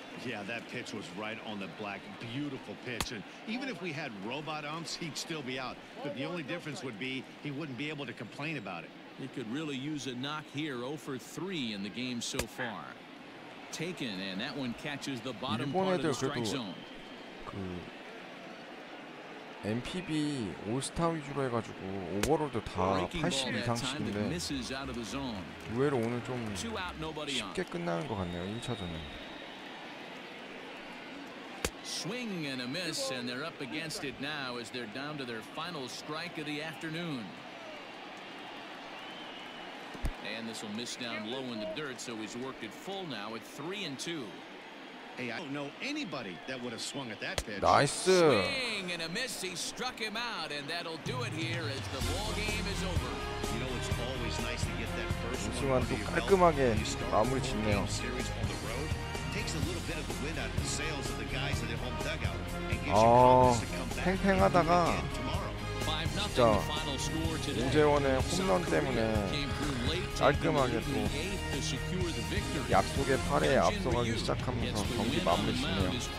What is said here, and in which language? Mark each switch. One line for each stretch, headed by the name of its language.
English: Yeah, that pitch was right on the black. Beautiful pitch. And even if we had robot umps, he'd still be out. But the only difference would be he wouldn't be able to complain about it. He could really use a knock here. 0 for 3 in the game so far. Taken, and that one catches the bottom part of the strike zone.
Korean: 그 MPB 올스타 위주로 해가지고 오버롤도 다 80 이상씩인데 의외로 오늘 좀 쉽게 끝나는 것 같네요. 1차전은.
English: Swing and a miss, and they're up against it now as they're down to their final strike of the afternoon. And this will miss down low in the dirt, so he's worked it full now at 3-2. Hey, I don't know anybody that would have swung at that pitch. Nice. Swing and a miss. He struck him out, and that'll do it here as the ball game is over. You know, it's always nice to get that first one.
Korean: 우승은 또 깔끔하게 마무리 짓네요.
English: Takes a little bit of the wind out of the sails of the guys at the home dugout and gives you promise to come back tomorrow. 5-0 final score today.
Korean: 오재원의 홈런 때문에 깔끔하게 또 약속의 8회에 앞서가기 시작하면서 경기 마무리 짓네요.